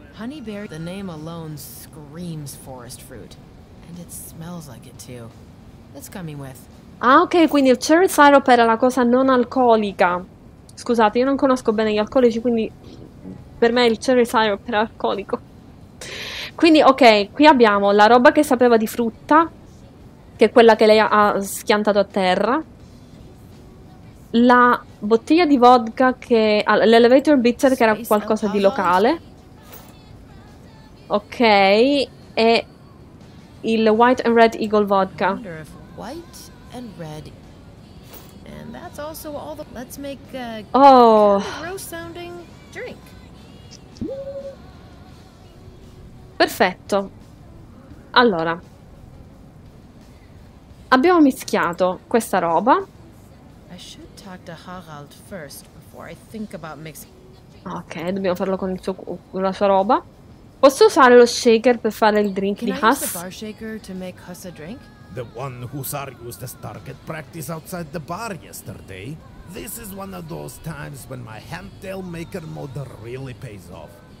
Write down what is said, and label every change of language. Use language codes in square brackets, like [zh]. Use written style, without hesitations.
[en] Honeyberry, the name alone screams forest fruit and it smells like it too. That's coming with. [it] Ah, ok, quindi il cherry syrup era la cosa non alcolica. Scusate, io non conosco bene gli alcolici, quindi per me il cherry syrup era alcolico. Quindi, ok, qui abbiamo la roba che sapeva di frutta, che è quella che lei ha schiantato a terra. La bottiglia di vodka che... l'elevator bitter che era qualcosa di locale. Ok, e... il White and Red Eagle vodka. [en] White and red. And that's also all the... Let's make a gross sounding drink. [it] Perfetto. Allora, abbiamo mischiato questa roba. [en] I should talk to Harald first before I think about mixing. [it] Ok, dobbiamo farlo con il suo, con la sua roba. Posso usare lo shaker per fare il drink [en] Can [it] di Huss? [en] Can I use the bar shaker to make Huss a drink? The one Hussar used as target practice outside the bar yesterday. This is one of those times when my handtail maker mode really pays off.